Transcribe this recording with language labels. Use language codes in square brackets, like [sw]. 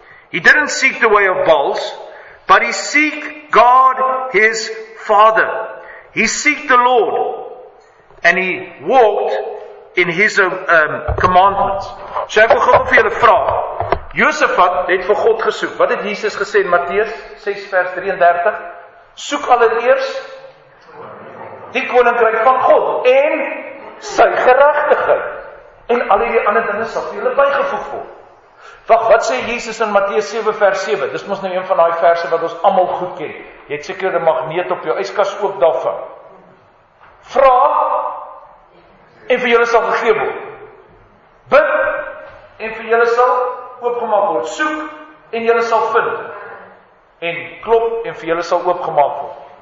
[en] He didn't seek the way of Baals, but he seek God his father. He seek the Lord and he walked in his commandments. [af] So ek wil gou vir julle vra. Josef het vir God gesoek. Wat het Jesus gesê in Matteus 6 vers 33? Soek allereers die koninkryk van God en sy geregtigheid. En al die ander dinge sal vir julle bygevoeg word. Wag, wat sê Jesus in Matteus 7 vers 7? Dis mos nou een van daai verse wat ons almal goed ken. Jy het seker 'n magneet op jou yskas ook daarvan. Vra en vir julle sal gegee word. Bid en vir julle sal oopgemaak word. Soek en julle sal vind. En klop en vir julle sal oopgemaak word.